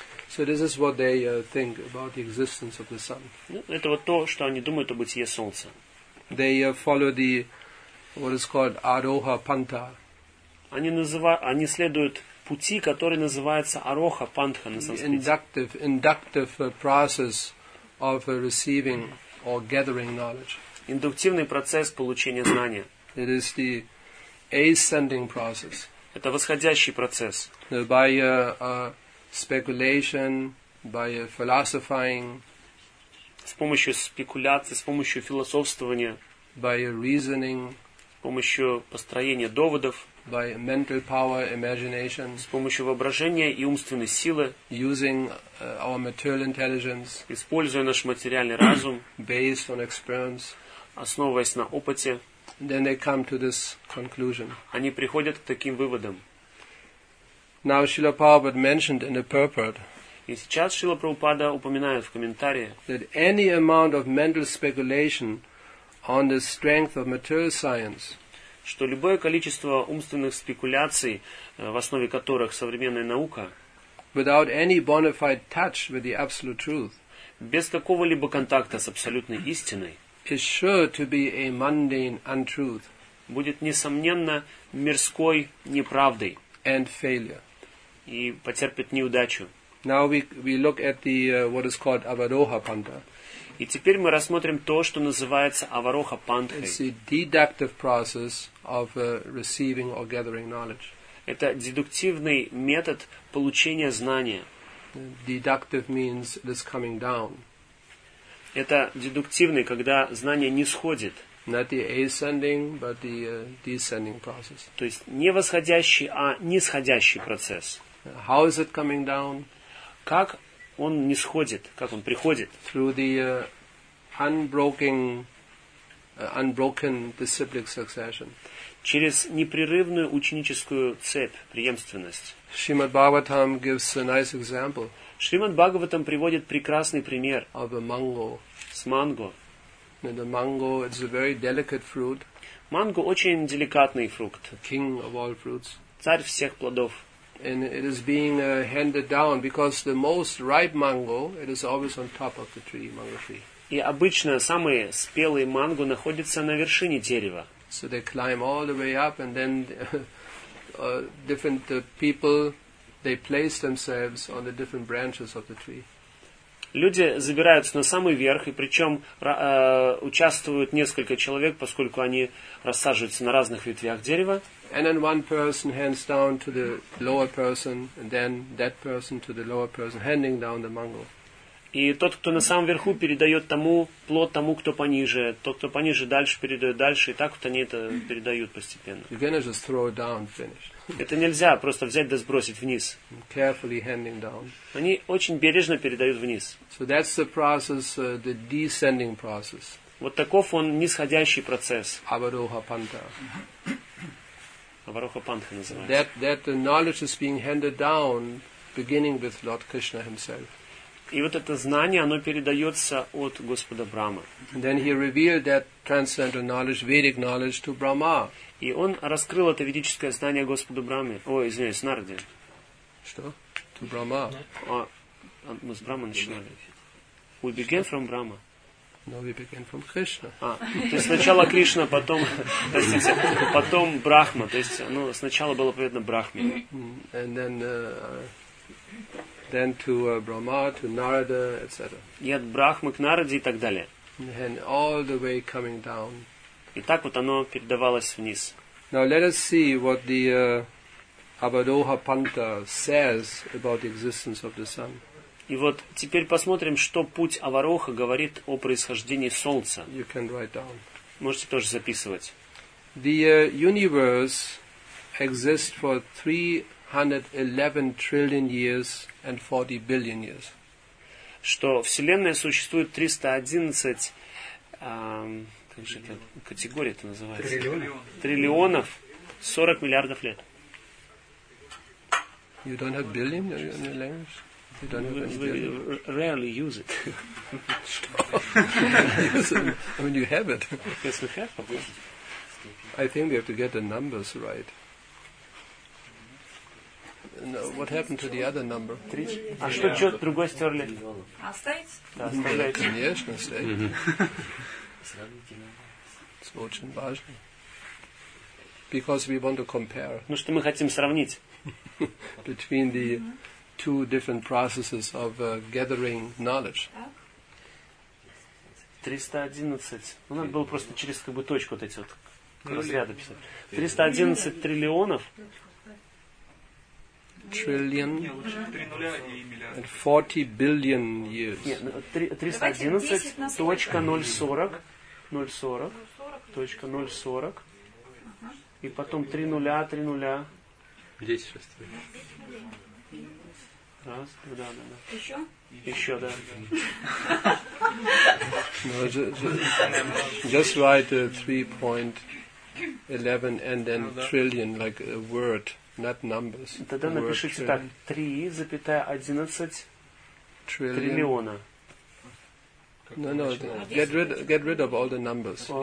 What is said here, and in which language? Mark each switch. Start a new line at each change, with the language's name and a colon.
English: So this is what they think about the existence of the sun.
Russian: Ну, это вот то, что они думают о бытии солнца.
English: They follow the what is called Aroha Pantha.
Russian: Они следуют пути, который называется Aroha Pantha на санскрите.
English: Inductive process of receiving or gathering knowledge.
Russian: Индуктивный процесс получения знания.
English: It is the ascending process.
Russian: Это восходящий процесс.
English: By speculation, by philosophizing.
Russian: С помощью спекуляций, с помощью философствования.
English: By reasoning.
Russian: помощью построения доводов,
English: by mental power, imagination,
Russian: с помощью воображения и умственной силы,
English: using our material intelligence,
Russian: используя наш материальный разум,
English: based on experience,
Russian: основываясь на опыте,
English: then they come to this conclusion.
Russian: Они приходят к таким выводам.
English: Now Srila Prabhupada mentioned in the purport.
Russian: И сейчас Шрила Прабхупада упоминает в комментарии,
English: that any amount of mental speculation on the strength of material science,
Russian: что любое количество умственных спекуляций, в основе которых современная наука,
English: without any bona fide touch with the absolute truth,
Russian: без какого-либо контакта с абсолютной истиной,
English: is sure to be a mundane untruth,
Russian: будет несомненно мирской неправдой,
English: and failure,
Russian: и потерпит неудачу.
English: Now we look at the what is called Avaroha Panda.
Russian: И теперь мы рассмотрим то, что называется Avaroha Panda.
English: It's a deductive process of receiving or gathering knowledge.
Russian: Это дедуктивный метод получения знания.
English: Deductive means it is coming down.
Russian: Это дедуктивный, когда знание нисходит.
English: Not the ascending, but the descending process.
Russian: То есть не восходящий, а нисходящий процесс.
English: How is it coming down?
Russian: Как он нисходит, как он приходит?
English: Through the unbroken disciplic succession.
Russian: Через непрерывную ученическую цепь, преемственность.
English: Shrimad Bhagavatam gives a nice example.
Russian: Shrimad Bhagavatam приводит прекрасный пример.
English: Of a mango.
Russian: С манго.
English: The mango is a very delicate fruit.
Russian: Манго очень деликатный фрукт.
English: The king of all fruits.
Russian: Царь всех плодов.
English: And it is being handed down because the most ripe mango, it is always on top of the tree, mango tree.
Russian: И обычно самые спелые манго находятся на вершине дерева.
English: So they climb all the way up, and then different people they place themselves on the different branches of the tree.
Russian: Люди забираются на самый верх, и причем участвуют несколько человек, поскольку они рассаживаются на разных ветвях дерева.
English: And then one person hands down to the lower person, and then that person to the lower person, handing down the mango.
Russian: И тот, кто на самом верху, передает тому плод тому, кто пониже. Тот, кто пониже, дальше передает дальше, и так вот они это передают постепенно.
English: You cannot just throw it down, finish.
Russian: Это нельзя просто взять да сбросить вниз.
English: Carefully handing down.
Russian: Они очень бережно передают вниз.
English: So that's the process, the descending process.
Russian: Вот таков он нисходящий процесс.
English: Avaroha Panta.
Russian: Avaroha Panta называется.
English: That the knowledge is being handed down, beginning with Lord Krishna himself.
Russian: И вот это знание, оно передается от Господа Брахмы.
English: Then he revealed that transcendental knowledge, Vedic knowledge, to Brahma.
Russian: И он раскрыл это ведическое знание Господу Брахме. Ой, извиняюсь, Нарде. Что?
English: To Brahma.
Russian: А, мы с Брахмы начинали.
English: We began from Brahma. No, we began from Krishna.
Russian: А, то есть сначала Кришна, потом, простите, потом Брахма. То есть, ну, сначала было поведено Брахме.
English: And then... Then to Brahma, to Narada, etc.
Russian: И от Брахмы к Нараде и так далее.
English: And all the way coming down.
Russian: И так вот оно передавалось вниз.
English: Now let us see what the Avaroha Panta says about the existence of the sun.
Russian: И вот теперь посмотрим, что путь Авароха говорит о происхождении солнца.
English: You can write down.
Russian: Можете тоже записывать.
English: The universe exists for 311 trillion years and 40 billion years.
Russian: Что Вселенная существует 311 как же это категория-то называется? Триллионов 40 миллиардов лет.
English: You don't have billion in your language? You don't have any billion? We rarely use it. I mean, you have it. Yes, we have. I think we have to get the numbers right. No, what happened to the other number?
Russian: А что, чё, другой стерли? Остается? Конечно, остается.
English: It's
Russian: очень важно.
English: Because we want to compare.
Russian: Ну, что мы хотим сравнить.
English: Between the two different processes of gathering knowledge.
Russian: 311. Ну, надо было просто через как бы точку вот эти вот разряды писать. 311 триллионов.
English: Trillion and 40 billion years.
Russian: Нет, 311.040.040.040. И потом 3 нуля, 3 нуля. 10 сейчас. Раз, да, да, да. Еще? Еще, да.
English: No, just write the 3.11 and then trillion, like a word, not numbers.
Russian: Тогда напишите так, 3.11 триллиона.
English: No, no, get rid of all the numbers.